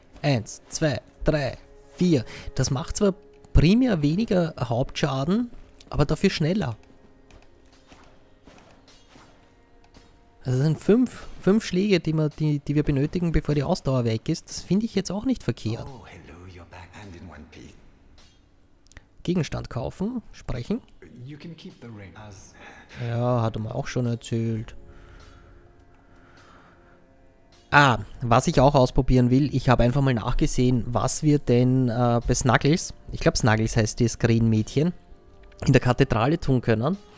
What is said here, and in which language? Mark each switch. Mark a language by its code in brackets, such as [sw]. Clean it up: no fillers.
[de] 1, 2, 3, 4. Das macht zwar primär weniger Hauptschaden, aber dafür schneller. Also das sind 5 Schläge, die wir benötigen, bevor die Ausdauer weg ist. Das finde ich jetzt auch nicht verkehrt. [en] Oh, hello, you're back and in one piece. [de] Gegenstand kaufen, sprechen. [en] You can keep the ring as... [de] Ja, hat er mir auch schon erzählt. Ah, was ich auch ausprobieren will, ich habe einfach mal nachgesehen, was wir denn bei Snuggles, ich glaube Snuggles heißt das Green-Mädchen, in der Kathedrale tun können.